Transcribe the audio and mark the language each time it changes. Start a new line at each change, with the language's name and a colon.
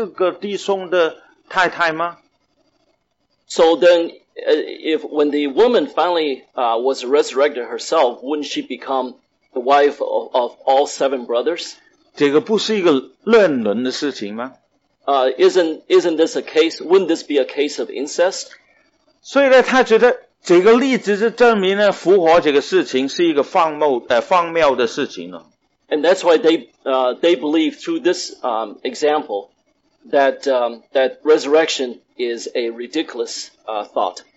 Chinese: 那么当这个女人复活的时候，岂不是她同时成为七个弟兄的太太吗？
English: So then, if when the woman finally was resurrected herself, wouldn't she become the wife of all seven brothers?
Chinese: 这个不是一个乱伦的事情吗？
English: Isn't this a case? Wouldn't this be a case of incest?
Chinese: 所以呢，他觉得这个例子是证明了复活这个事情是一个荒谬的事情了。
English: And that's why they believe through this example that resurrection is a ridiculous thought.